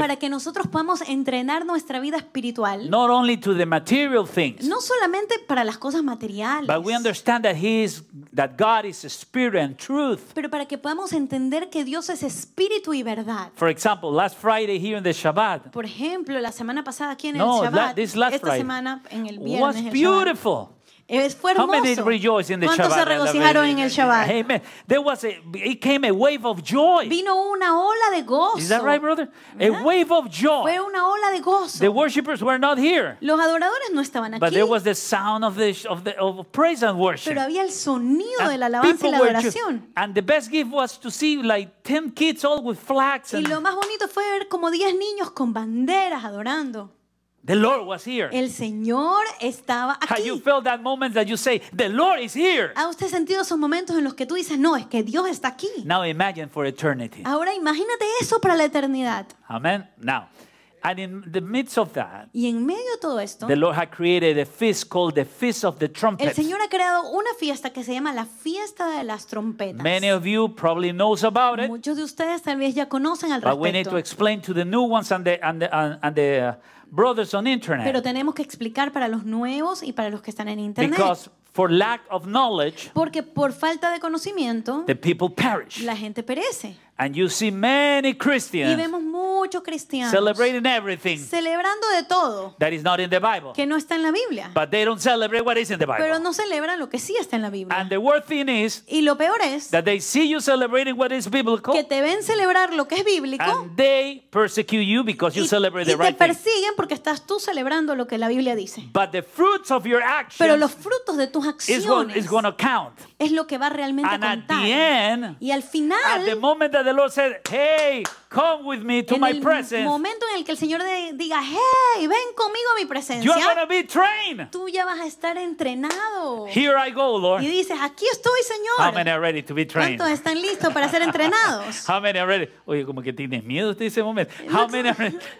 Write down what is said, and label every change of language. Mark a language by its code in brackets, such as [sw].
[es] para que nosotros podamos entrenar nuestra vida espiritual, [en] not only to the material things, [es] no solamente para las cosas materiales, [en] but we understand that he is that God is spirit and truth. [es] Pero para que podamos entender que Dios es espíritu y verdad. [en] For example, last Friday here in the Shabbat. [es] Por ejemplo, la semana pasada aquí en no, el Shabbat. [en] No, this last Friday. [es] Esta semana en el viernes. [en] Was beautiful. [es] Fue hermoso. [en] How many rejoiced in the [es] ¿Cuántos [en] Shabbat? [es] Se regocijaron en el Shabbat? [en] Amen. There was it came a wave of joy. [es] Vino una ola de gozo. [en] Is that right, brother? A wave of joy. [es] Fue una ola de gozo. [en] The worshippers were not here. [es] Los adoradores no estaban aquí. [en] But there was the sound of the praise and worship. [es] Pero había el sonido de la alabanza y la adoración. [en] And the best gift was to see like 10 kids all with flags. [es] Y lo más bonito fue ver como 10 niños con banderas adorando. [en] The Lord was here. [es] El Señor estaba aquí. [en] Have you felt that moment that you say, the Lord is here? [es] ¿Ha usted sentido esos momentos en los que tú dices, no, es que Dios está aquí? [en] Now imagine for eternity. [es] Ahora imagínate eso para la eternidad. [en] Amen. Now, and in the midst of that, [es] y en medio de todo esto, [en] the Lord had created a feast called the Feast of the Trumpets. [es] El Señor ha creado una fiesta que se llama la Fiesta de las Trompetas. [en] Many of you probably knows about it. [es] Muchos de ustedes tal vez ya conocen al respecto. [en] But we need to explain to the new ones and the brothers on internet. [es] Pero tenemos que explicar para los nuevos y para los que están en internet. [en] Because for lack of knowledge, [es] porque por falta de conocimiento, [en] the people perish. [es] La gente perece. [en] And you see many Christians, [es] y vemos muchos cristianos, [en] celebrating everything, [es] celebrando de todo, [en] that is not in the Bible, [es] que no está en la Biblia. [en] But they don't celebrate what is in the Bible. [es] Pero no celebran lo que sí está en la Biblia. [en] And the worst thing is, [es] y lo peor es, [en] that they see you celebrating what is biblical, [es] que te ven celebrar lo que es bíblico, [en] and they persecute you because you celebrate the right thing. [es] Y te persiguen porque estás tú celebrando lo que la Biblia dice. [en] But the fruits of your actions, [es] pero los frutos de tus acciones, [en] is going to count. [es] Es lo que va realmente [en] and [es] a contar. [en] At the end, [es] y al final, [en] at the moment that the Lord said, hey, come with me to my presence. [es] En el momento en el que el Señor diga, hey, ven conmigo a mi presencia. [en] You're going to be trained. [es] Tú ya vas a estar entrenado. [en] Here I go, Lord. [es] Y dices, aquí estoy, Señor. [en] How many are ready to be trained? [es] ¿Cuántos están listos para ser entrenados? [en] How many are ready? [es] Oye, como que tienes miedo usted ese momento. [en] How many are ready?